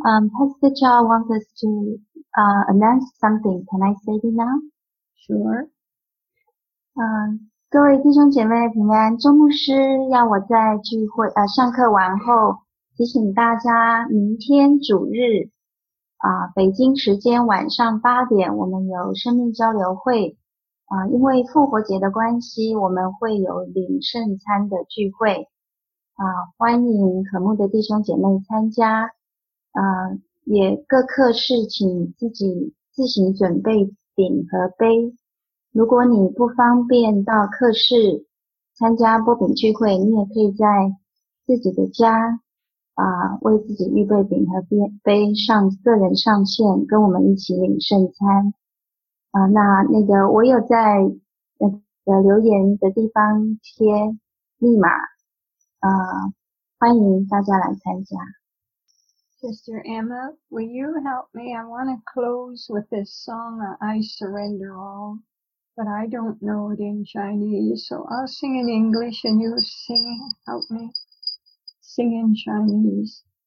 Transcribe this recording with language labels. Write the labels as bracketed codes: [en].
[en] Pastor Cha wants us to announce something. Can I say it now? Sure. [zh] 各位弟兄姐妹平安，周牧师要我在聚会上课完后提醒大家，明天主日北京时间晚上8点我们有生命交流会。因为复活节的关系，我们会有领圣餐的聚会。欢迎和睦的弟兄姐妹参加，也各课室请自己自行准备饼和杯。如果你不方便到课室参加播饼聚会，你也可以在自己的家为自己预备饼和杯，上个人上线跟我们一起领圣餐。那个我有在那个留言的地方贴密码。欢迎大家来参加。 [en] Sister Emma, will you help me? I want to close with this song, I Surrender All, but I don't know it in Chinese, so I'll sing in English and you sing, help me sing in Chinese.